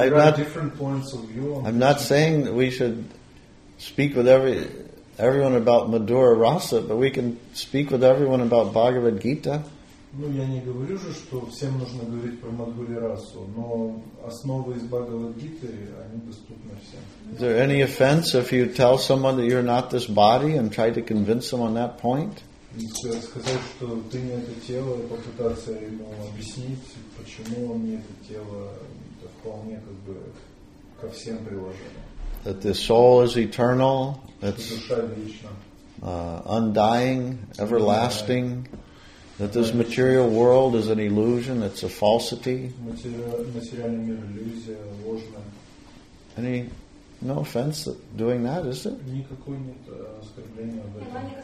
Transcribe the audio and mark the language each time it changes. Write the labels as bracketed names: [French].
[English] I'm not saying that we should speak with everyone about Madhura Rasa, but we can speak with everyone about Bhagavad Gita. [Russian] Ну, я не говорю же, что всем нужно говорить про Мадхури Расу, но основы из Бхагавад Гиты, они доступны всем. [English] Is there any offense if you tell someone that you're not this body and try to convince them on that point? [Russian] Сказать, что ты не это тело, и попытаться ему объяснить, почему он не это тело, это вполне как бы ко всем приложено. [English] That the soul is eternal, it's undying, everlasting, that this material world is an illusion, it's a falsity. [Russian] Материальный мир иллюзия, ложная. [English] Any, no offense doing that, is it? [Russian] Никакой нет оскорбления об этом.